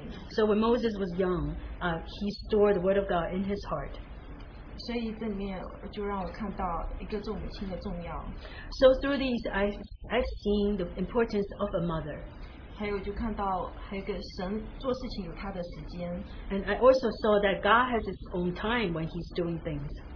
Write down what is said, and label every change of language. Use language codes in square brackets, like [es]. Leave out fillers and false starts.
[en] So when Moses was young, he stored the word of God in his heart. So through these, I've seen the importance of a mother. [zh] 还有就看到还有个神做事情有他的时间, [en] and I also saw that God has his own time when he's doing things.